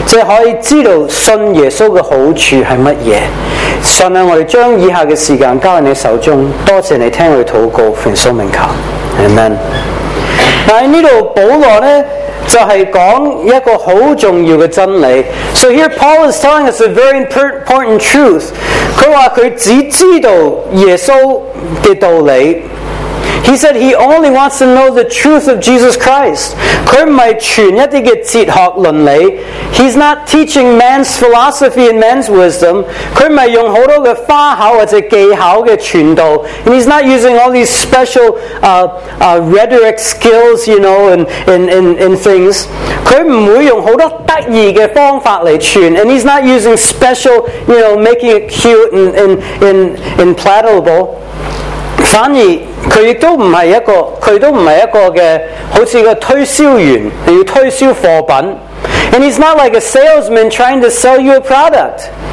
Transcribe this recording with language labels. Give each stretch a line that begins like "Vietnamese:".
Chinese: 即可以知道信耶稣的好处是什么。神啊，我们将以下的时间交在你手中，多谢你听我的祷告，奉主名求， Amen。但在这里保罗呢就是讲一个很重要的真理。
English: So here Paul is telling us a very important truth.
Chinese: 他说他只知道耶稣的道理。
English: He said he only wants to know the truth of Jesus Christ.
Chinese: 他不是传一些哲学论理。
English: He's not teaching man's philosophy and man's wisdom.
Chinese: 他不是用很多的花巧或者技巧的传道。
English: And he's not using all these special rhetoric skills, you know, and things.
Chinese: 他不会用很多得意的方法来传。
English: And he's not using special, you know, making it cute and palatable.
Chinese: 反而他也都不是一个，他也都不是一个的，好像一个推销员，要推销货品。
English: And he's not like a salesman trying to sell you a product.